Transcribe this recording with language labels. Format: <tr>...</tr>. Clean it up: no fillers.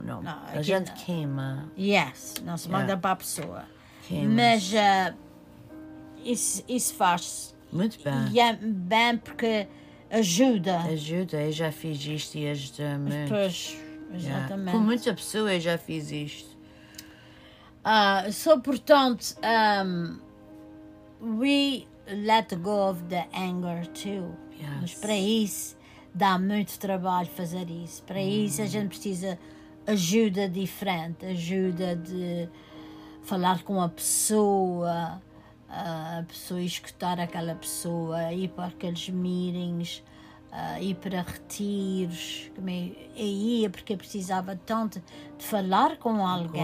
<pt>Não. A gente não. Queima. Yes, não se manda para a pessoa. Queima. Mas isso faz-se. Muito bem. E é bem porque ajuda. Ajuda, eu já fiz isto e ajuda-me. Pois, exatamente. Com muita pessoa eu já fiz isto.</pt> <en>So,</en> <pt>portanto,</pt> <en>we let go of the anger too. Yes.</en> <pt>Mas para isso dá muito trabalho fazer isso. Para isso a gente precisa ajuda diferente, ajuda de falar com a pessoa escutar aquela pessoa, ir para aqueles meetings, ir para retiros, e ia porque precisava tanto de falar com alguém.</pt>